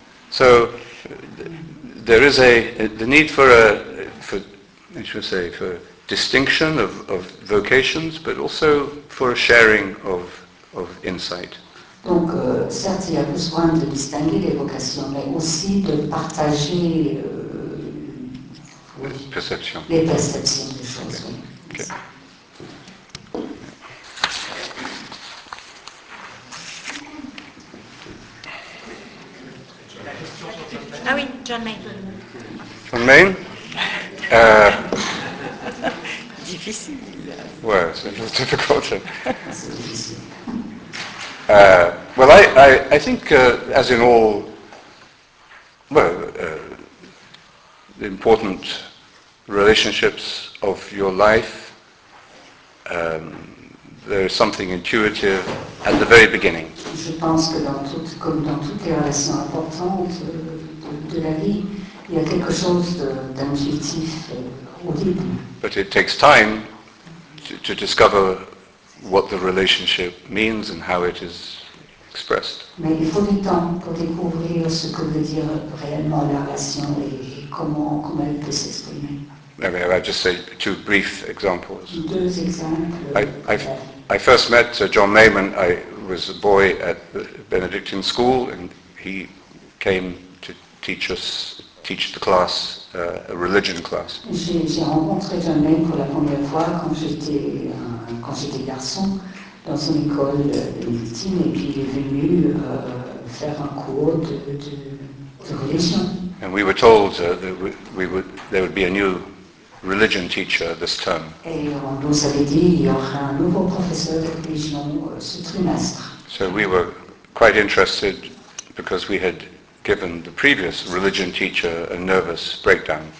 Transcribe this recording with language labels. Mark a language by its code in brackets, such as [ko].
[en] So there is the need for distinction of vocations, but also for a sharing of insight. [fr] Donc, certes, il y a besoin de distinguer les vocations, mais aussi de partager les perceptions des choses. [en] Okay. [fr] Ah oui, John Mayne. John Mayne? Difficile. [en] Well, it's a little difficult. I think, as in all, the important relationships of your life, there is something intuitive at the very beginning. [fr] Je pense que comme dans toutes les relations importantes, de la vie, il y a quelque chose d'intuitif au début. [en] But it takes time to discover what the relationship means and how it is expressed. [fr] Mais il faut du temps pour découvrir ce que veut dire réellement la relation et comment elle peut s'exprimer. [en] Maybe I'll just say two brief examples. [fr] Deux exemples. [en] I first met John Mayne. I was a boy at the Benedictine school, and he came teach the class, a religion class. [fr] J'ai rencontré John Mayne pour la première fois quand j'étais garçon dans une école bénédictine, et puis il est venu faire un cours de religion. [en] And we were told there would be a new religion teacher this term. [fr] Et on nous avait dit il y aura un nouveau professeur de religion ce trimestre. [en] So we were quite interested because we had given the previous religion teacher a nervous breakdown.